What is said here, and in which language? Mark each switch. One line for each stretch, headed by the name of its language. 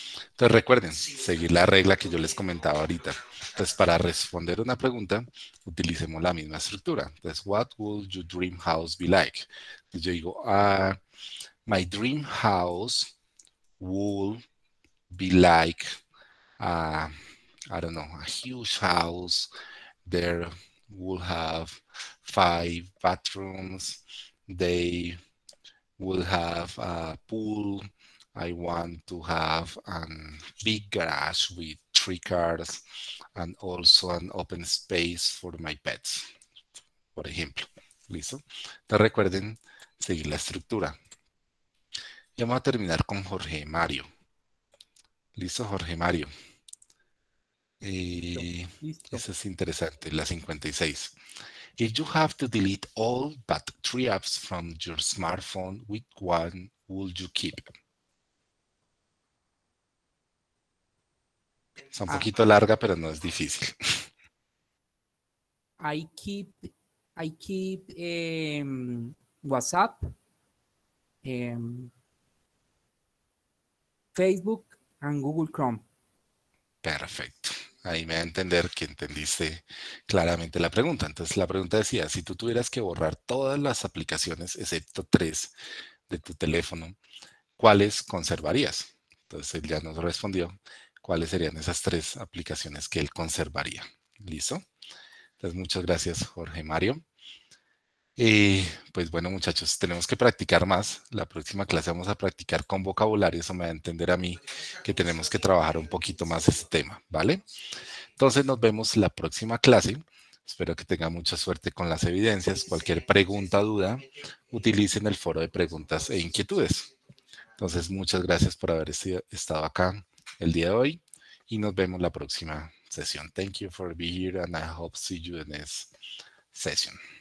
Spanish: Entonces recuerden, seguir la regla que yo les comentaba ahorita. Entonces, para responder una pregunta, utilicemos la misma estructura. Entonces,
English: what would your dream house be like?
Spanish: Entonces, yo digo,
English: my dream house would be like, I don't know, a huge house. There will have 5 bedrooms. They will have a pool. I want to have a big garage with 3 cars and also an open space for my pets,
Spanish: por ejemplo. ¿Listo? Te recuerden seguir la estructura. Y vamos a terminar con Jorge Mario. ¿Listo, Jorge Mario? Eso es interesante, la 56.
English: If you have to delete all but 3 apps from your smartphone, which one would you keep?
Spanish: Es un poquito larga, pero no es difícil.
English: I keep WhatsApp, Facebook and Google Chrome.
Spanish: Perfecto. Ahí me da a entender que entendiste claramente la pregunta. Entonces, la pregunta decía, si tú tuvieras que borrar todas las aplicaciones, excepto 3 de tu teléfono, ¿cuáles conservarías? Entonces, él ya nos respondió. ¿Cuáles serían esas 3 aplicaciones que él conservaría? ¿Listo? Entonces, muchas gracias, Jorge Mario. Y pues bueno, muchachos, tenemos que practicar más. La próxima clase vamos a practicar con vocabulario. Eso me da a entender a mí que tenemos que trabajar un poquito más este tema, ¿vale? Entonces, nos vemos la próxima clase. Espero que tengan mucha suerte con las evidencias. Cualquier pregunta, duda, utilicen el foro de preguntas e inquietudes. Entonces, muchas gracias por haber estado acá el día de hoy y nos vemos la próxima sesión.
English: Thank you for being here and I hope to see you in this session.